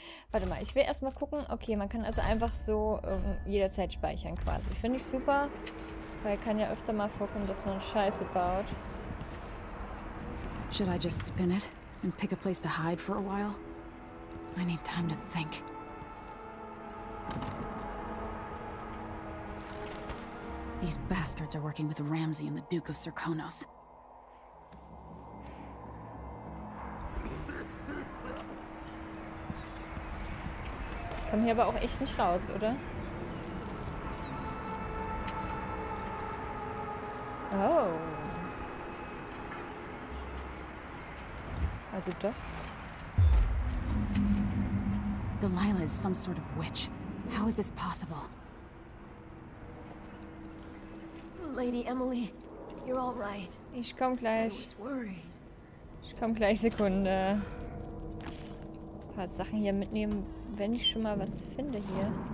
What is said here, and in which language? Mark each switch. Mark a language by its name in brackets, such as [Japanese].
[German] Warte mal, ich will erstmal gucken. Okay, man kann also einfach so jederzeit speichern quasi. Finde ich super, weil kann ja öfter mal vorkommen, dass man Scheiße baut. [English] Should I just spin it and pick a place to hide for a while? I need time to think. These bastards are working with Ramsay and the Duke of Sirkonos. [German] Ich komme hier aber auch echt nicht raus, oder? Oh. Also doch. [English] Delilah is some sort of witch. How is this possible? Lady Emily, you're all right. [German] Ich komm gleich. [English] I was worried. [German] Ich komm gleich, Sekunde. Ein paar Sachen hier mitnehmen, wenn ich schon mal was finde hier.